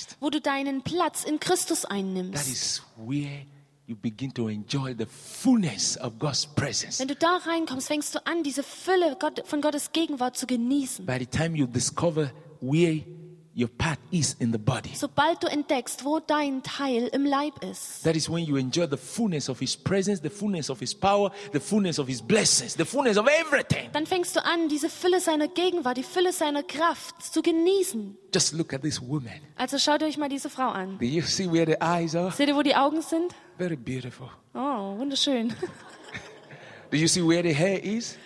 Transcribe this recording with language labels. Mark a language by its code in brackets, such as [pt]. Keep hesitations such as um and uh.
[de] du deinen Platz in Christus einnimmst. [en] That is where you begin to enjoy the fullness of God's presence. [de] Wenn du da reinkommst, fängst du an, diese Fülle von Gottes Gegenwart zu genießen. [en] By the time you discover where your part is in the body. [de] Sobald du entdeckst, wo dein Teil im Leib ist. [en] That is when you enjoy the fullness of his presence, the fullness of his power, the fullness of his blessings, the fullness of everything. [de] Dann fängst du an, diese Fülle seiner Gegenwart, die Fülle seiner Kraft zu genießen. [en] Just look at this woman. [de] Also schaut euch mal diese Frau an. [en] Do you see where the eyes are? [de] Seht ihr, wo die Augen sind? [en] Very beautiful. [de] Oh, wunderschön. [en] Do you see where the hair is?